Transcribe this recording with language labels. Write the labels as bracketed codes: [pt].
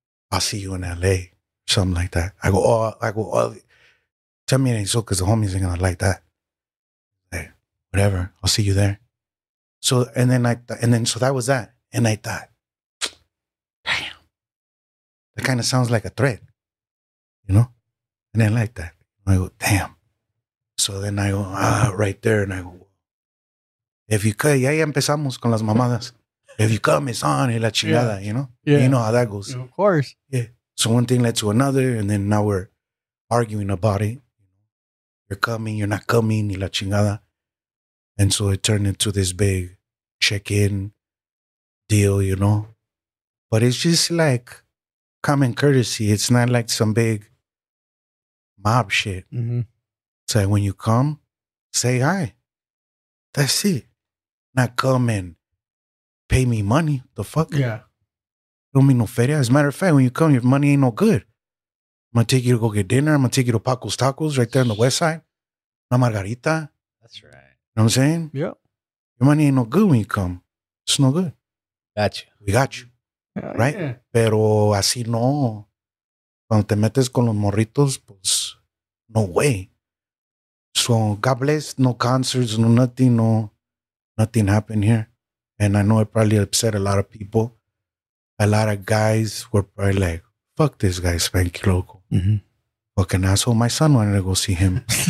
[en] I'll see you in L.A. Something like that. I go, tell me it ain't so because the homies ain't going to like that. Like, whatever. I'll see you there. So, and then so that was that. And I thought, damn, that kind of sounds like a threat, you know? And then like that. And I go, damn. So then I go, right there. And I go, if you come, [es] ya empezamos con las mamadas. [en] If you come, it's on, [es] y la chingada, [en] you know? Yeah. You know how that goes. Of course. Yeah. So one thing led to another, and then now we're arguing about it. You're coming, you're not coming, [es] y la chingada. [en] And so it turned into this big check-in deal, you know? But it's just like common courtesy. It's not like some big mob shit. Mm-hmm. It's like when you come, say hi. That's it. Not come and pay me money. The fuck? Yeah. Don't mean no feria. As a matter of fact, when you come, your money ain't no good. I'm going to take you to go get dinner. I'm going to take you to Paco's Tacos right there on the west side. La Margarita. That's right. You know what I'm saying? Yeah. Your money ain't no good when you come. It's no good. Gotcha. We got you. Yeah, right? Yeah. [es] Pero así no. Cuando te metes con los morritos, pues [en] no way. So God bless. No concerts. No nothing. No nothing happened here. And I know it probably upset a lot of people. A lot of guys were probably like, fuck this guy, Spanky Loco. Mm-hmm. Fucking asshole. My son wanted to go see him.